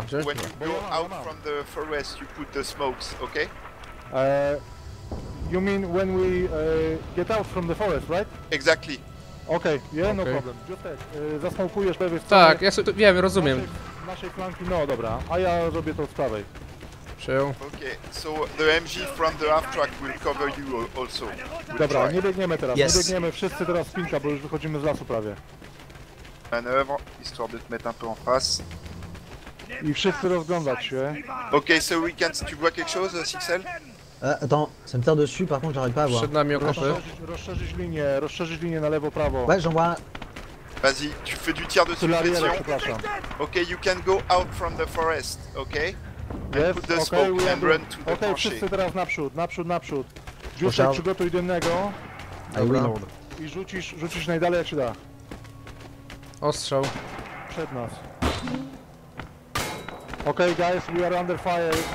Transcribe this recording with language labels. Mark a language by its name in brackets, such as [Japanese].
[English] When you go out from the forest, you put the smokes, okay? You mean when we get out from the forest, right? Exactly. Okay, yeah, okay. No problem. [Polish] Just zasmokujesz lewy w tak, ja sobie, wiem, rozumiem. Naszej flanki, no dobra. A ja zrobię to z prawej. Przyjął. [English] Okay, so the MG from the half track will cover you also. [Polish] Dobra, nie biegniemy teraz, yes. Nie biegniemy wszyscy teraz spinka, bo już wychodzimy z lasu prawie. [French] Manoeuvre, histoire de te mettre un peu en face. [Polish] I wszyscy rozglądać się. [English] Okay, so we can't, [French] tu vois quelque chose, [English] Sixel? [French] Attends, ça me tire dessus, par contre j'arrive pas à voir. [Polish] Przed nami okopy. Rozszerzyć linię na lewo, prawo. [French] Ouais, j'en vois. Vas-y, tu fais du tir de suppression. [English] Okay, you can go out from the forest, okay? And yes, put the okay, smoke we'll and run to the okay, [French] tranchée. [Polish] Wszyscy teraz naprzód. Dziuszek, przygotuj dymnego. [English] I will. [Polish] I rzucisz najdalej, jak się da. Ostrzał. Przed nas. [English] Okay, guys, we are under fire.